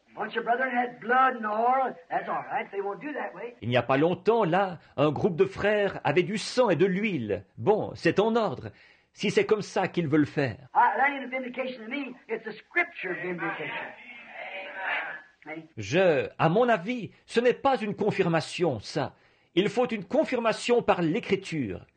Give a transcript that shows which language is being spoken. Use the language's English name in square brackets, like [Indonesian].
[English] Bunch of brethren had blood and oil. That's all right. They won't do that way. [French] Il n'y a pas longtemps, là, un groupe de frères avait du sang et de l'huile. Bon, c'est en ordre. Si c'est comme ça qu'ils veulent faire. [English] That ain't a vindication to me. It's a scripture vindication. [French] À mon avis, ce n'est pas une confirmation, ça. Il faut une confirmation par l'Écriture.